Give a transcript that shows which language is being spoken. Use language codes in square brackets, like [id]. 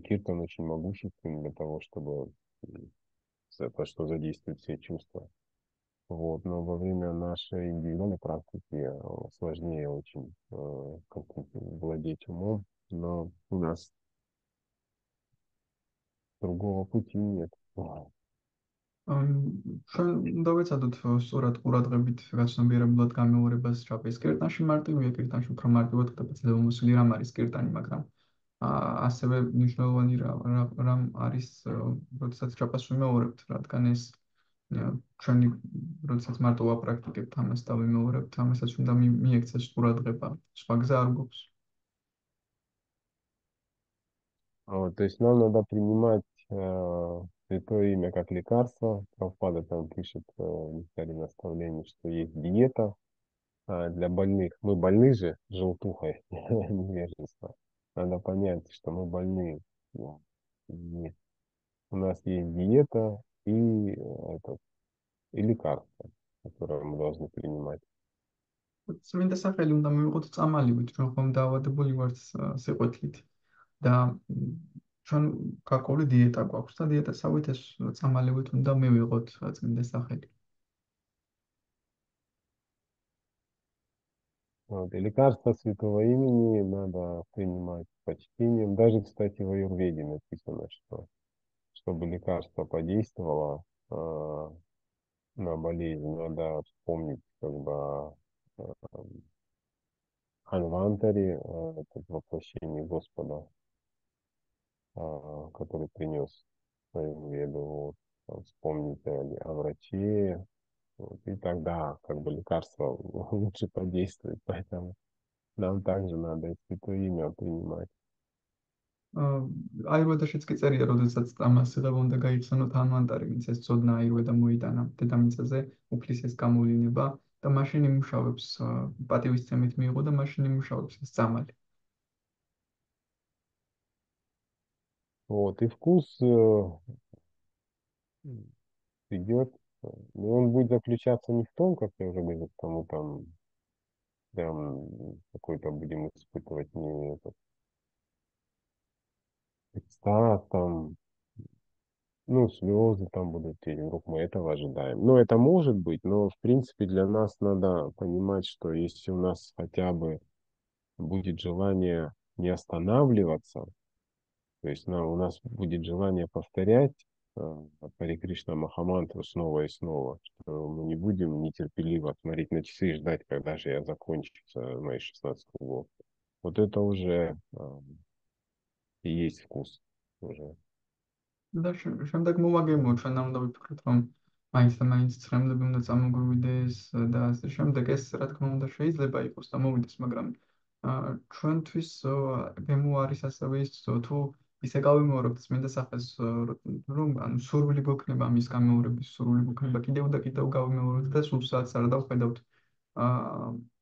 [ru] Киртан очень могущественный для того, чтобы за то, что задействует все чувства. Вот, но во время нашей индивидуальной практики сложнее очень владеть умом, но у нас другого пути нет. [ka] ჩვენ დავეცადოთ სწორად ყურადღებით გაცნობიერებულად გამეორებას ჩაპის კირტანში მარტივია, კირტანში უფრო მარტივად გადაწყდება მოსული რამ არის კირტანი, მაგრამ ასევე მნიშვნელოვანი რამ არის, როდესაც ჩაპას ვიმეორებთ, რადგან ეს ჩვენი, როდესაც მარტო ვაპრაქტიკებთ ამას და ვიმეორებთ ამასაც უნდა მიექცეს ყურადღება, სხვა გზა არ გვაქვს. [ru] То есть нам надо принимать святое имя как лекарство. Прабхупада там пишет в начале наставления, что есть диета для больных. Мы больны же желтухой, невежество. Надо понять, что мы больны. Нет. У нас есть диета и лекарство, которое мы должны принимать. [ka] წმინდა სახელი უნდა მივიღოთ წამალივით, ჩვენ ხომ დაავადებული ვართ სიყვითლით და ჩვენ გარკვეული დიეტა გვაქვს და დიეტასავით ეს წამალივით უნდა მივიღოთ წმინდა სახელი. [ru] Вот. И лекарства святого имени надо принимать с почтением. Даже, кстати, в Аюрведе написано, что чтобы лекарство подействовало на болезнь, надо вспомнить как бы Ханвантари, это воплощение Господа, который принес Аюрведу, вот, вспомнить о враче. Вот, и тогда как бы лекарство лучше подействует, поэтому нам также надо и святое имя принимать. [ka] Айурведაშიც კი წერია, როდესაც ტამასზედა უნდა გაიხსენოთ ჰანუმანტარი, ვინც ეს ცოდნა აიურვედა მოიტანა დედამიწაზე, უფლის ეს გამოვლინება და მაშინ იმუშავებს, პატივისცემით მიიღო და მაშინ იმუშავებს ეს წამალი. [ru] Вот, и вкус идет, но он будет заключаться не в том, как я уже говорил, потому там какой-то будем испытывать не этот экстаз там, ну, слезы там будут, или вдруг мы этого ожидаем. Но это может быть, но в принципе для нас надо понимать, что если у нас хотя бы будет желание не останавливаться, то есть у нас будет желание повторять Хари Кришна Махамантру снова и снова, что мы не будем нетерпеливо смотреть на часы и ждать, когда же я закончу мои 16 кругов. Вот это уже и есть вкус уже. Да, sem tak mu magam, hogy fennállom, hogy van Einstein, Einstein,